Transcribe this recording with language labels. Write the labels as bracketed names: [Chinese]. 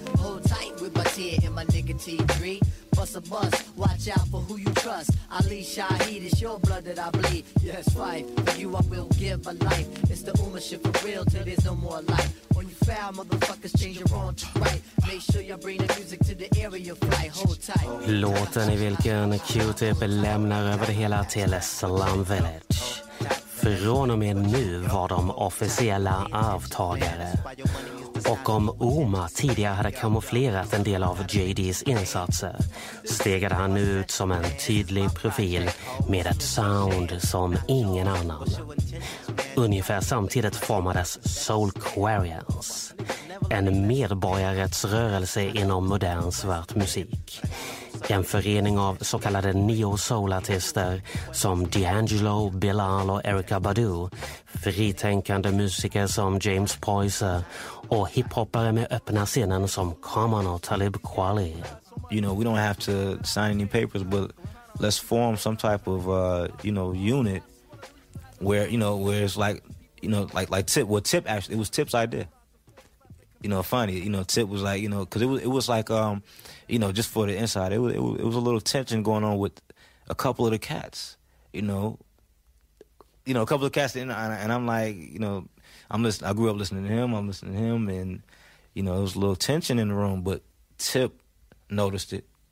[English] Hold tight with my tear and my nigga T3. Bust a bus, watch out for who you trust. Ali Shaheed, it's your blood that I bleed. Yes, wife, for you I will give my life. It's the Uma shit for real till there's no more life. When you foul, motherfuckers, change your wrong to right. Make sure you bring the music to the area of flight. Hold tight. [Swedish] Låten i vilken Q-tip lämnar över det hela till Slum Village. Från och med nu var de officiella arvtagare. Och om Uma tidigare hade kamouflerat en del av JD's insatser stegade han ut som en tydlig profil med ett sound som ingen annan. Ungefär samtidigt formades Soulquarians, en medborgarrättsrörelse inom modern svart musik. En förening av så kallade neo-soul-artister som D'Angelo, Bilal och Erykah Badu, fritänkande musiker som James Poyser och hiphoppare med öppna scenen som Common och Talib Kweli. [English] You know, we don't have to sign any papers, but let's form some type of you know, unit where, you know, where it's like, you know, like Tip, well, Tip actually, it was Tip's idea. You know, funny, you know, Tip was like, you know, because it was like, you know, just for the inside, it was a little tension going on with a couple of the cats, you know, a couple of cats, and I'm like, you know, I grew up listening to him, and, you know, it was a little tension in the room, but Tip noticed it,